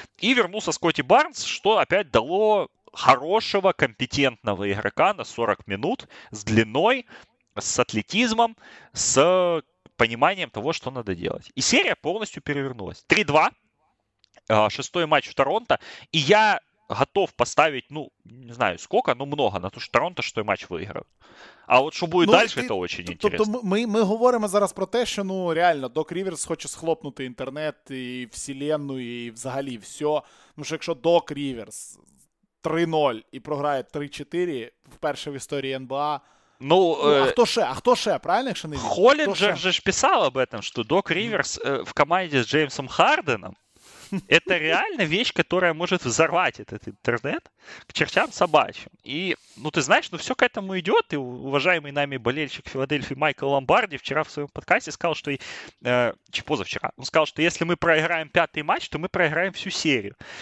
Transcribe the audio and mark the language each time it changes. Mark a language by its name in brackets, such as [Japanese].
[Russian] И вернулся Скотти Барнс, что опять дало хорошего, компетентного игрока на 40 минут с длиной, с атлетизмом, с пониманием того, что надо делать. И серия полностью перевернулась. 3-2, шестой матч в Торонто, и я готов поставить, ну, не знаю сколько, но много, на то, что Торонто шестой матч выиграл. [Ukrainian] А от що буде далі, це дуже цікаво. Тобто ми говоримо зараз про те, що, ну, реально, Док Ріверс хоче схлопнути інтернет і вселенну, і взагалі все. Ну, що якщо Док Ріверс 3-0 і програє 3-4 вперше в історії НБА, ну, а хто ще? А хто ще? Правильно, якщо не він? Холлінджер же ж писав [Russian] об этом, [Ukrainian] що Док Ріверс в команді з Джеймсом Харденом. [Russian] Это реально вещь, которая может взорвать этот интернет к чертям собачьим. И, ну, ты знаешь, ну, все к этому идет. И уважаемый нами болельщик Филадельфии Майкл Ломбарди вчера в своем подкасте сказал, что... позавчера. Он сказал, что если мы проиграем пятый матч, то мы проиграем всю серию.